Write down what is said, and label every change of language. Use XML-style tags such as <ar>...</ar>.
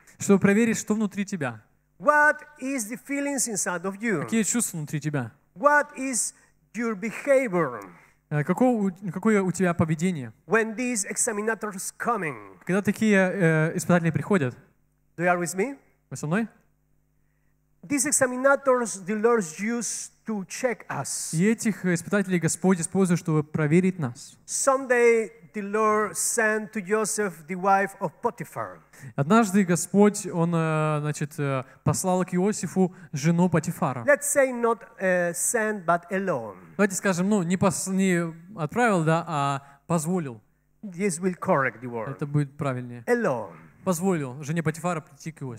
<ru>Чтобы проверить, что внутри тебя.</ru> <en>What is the feelings inside of you?</en> <ru>Какие чувства внутри тебя?</ru> <en>What is your behavior?</en> <ru>Какое у тебя поведение?</ru> <en>When these examiners coming.</en> <ru>Когда такие испытатели приходят?</ru> <en>Do you are with me?</en> <ru>Вы со мной?</ru> <en>These examiners the Lord used to check us.</en> <ru>И этих испытателей Господь использует, чтобы проверить нас.</ru> <en>Someday the Lord sent to Joseph the wife of Potiphar.</en> <ru>Однажды Господь он, значит, послал к Иосифу жену Потифара.</ru> <en>Let's say not sent, but alone.</en> <ru>Давайте скажем, ну не отправил, да, а позволил.</ru> <en>This will correct the word.</en> <ru>Это будет правильнее.</ru> <en>Alone.</en> <ru>Позволил жене Потифара прийти к Иосифу.</ru>